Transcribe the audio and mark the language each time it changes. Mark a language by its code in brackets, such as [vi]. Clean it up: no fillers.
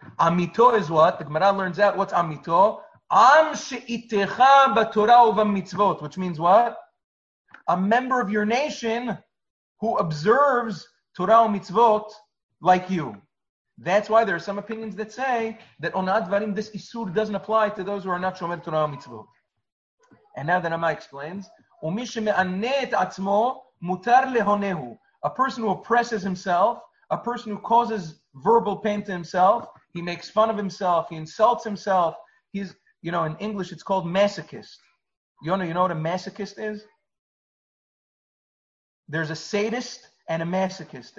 [en] Amito is what? The Gemara learns out. What's amito? Am she'itecha b'torah uvam mitzvot. Which means what? A member of your nation who observes Torah u'mitzvot like you. That's why there are some opinions that say that onat dvarim, this isur doesn't apply to those who are not shomer Torah u'mitzvot. And now the Nama explains, [he] ומי שמענה את עצמו מותר להונהו. [en] A person who oppresses himself, a person who causes verbal pain to himself, he makes fun of himself, he insults himself, he's, you know, in English it's called masochist. You know what a masochist is? There's a sadist and a masochist.